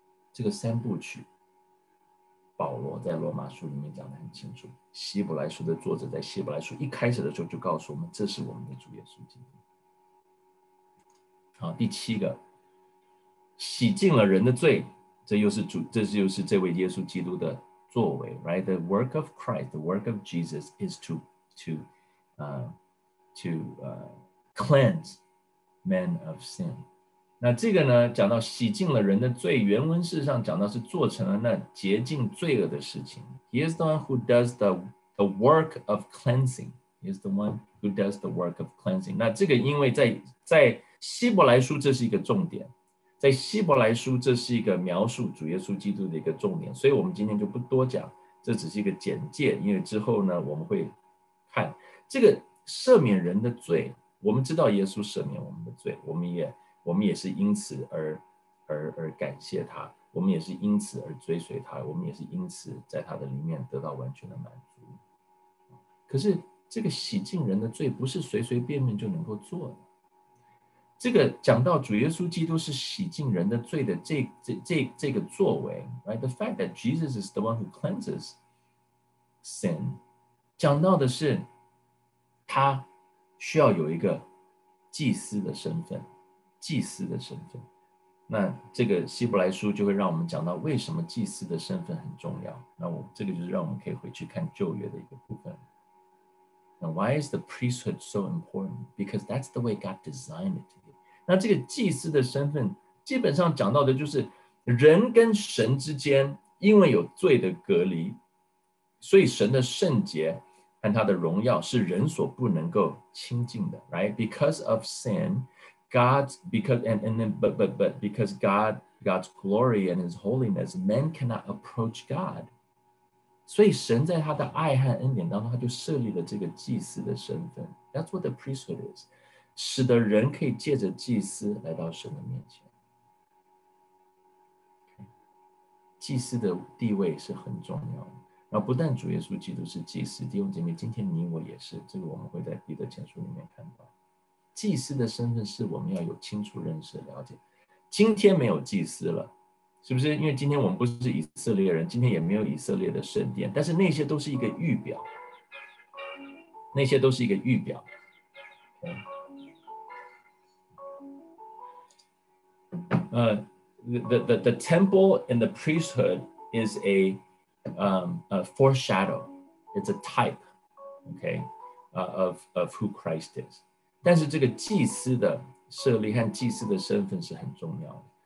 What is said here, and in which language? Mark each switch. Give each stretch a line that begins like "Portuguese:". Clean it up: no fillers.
Chinese: 这个三部曲保罗在罗马书里面讲得很清楚，希伯来书的作者在希伯来书一开始的时候就告诉我们，这是我们的主耶稣基督。好，第七个，洗净了人的罪，这就是这位耶稣基督的作为， right?
English: The work of Christ, the work of Jesus is to cleanse men of sin.
Chinese: 那这个呢，讲到洗净了人的罪，原文事实上讲到是做成了那洁净罪恶的事情。
English: He is the one who does the work of cleansing. He is the one who does the work of cleansing.
Chinese: 那这个因为在希伯来书这是一个重点。在希伯来书这是一个描述主耶稣基督的一个重点，所以我们今天就不多讲，这只是一个简介，因为之后呢我们会看这个赦免人的罪。我们知道耶稣赦免我们的罪，我们也是因此而感谢他，我们也是因此而追随他，我们也是因此在他的里面得到完全的满足。可是这个洗净人的罪不是随随便便就能够做的。这个讲到主耶稣基督是洗净人的罪的这个作为， right?
English: The fact that Jesus is the one who cleanses sin,
Chinese: 讲到的是他需要有一个祭司的身份，祭司的身份。那这个希伯来书就会让我们讲到为什么祭司的身份很重要。那我这个就是让我们可以回去看旧约的一个部分。
English: Now, why is the priesthood so important? Because that's the way God designed it to be.
Chinese: 那这个祭司的身份基本上讲到的就是人跟神之间因为有罪的隔离，所以神的圣洁和他的荣耀是人所不能够亲近的， right?
English: Because of sin, God's glory and his holiness, men cannot approach God.
Chinese: 所以神在他的爱和恩典当中，他就设立了这个祭司的身份。
English: That's what the priesthood is.
Chinese: 使得人可以借着祭司来到神的面前。祭司的地位是很重要的。然后不但主耶稣基督是祭司，弟兄姐妹，今天你我也是，这个我们会在彼得前书里面看到。祭司的身份是我们要有清楚认识了解。今天没有祭司了。是不是因为今天我们不是以色列人，今天也没有以色列的圣殿，但是那些都是一个预表，那些都是一个预表。
English: The temple and the priesthood is a foreshadow, it's a type, okay, of who Christ is.
Chinese: 但是这个祭司的设立和祭司的身份是很重要的。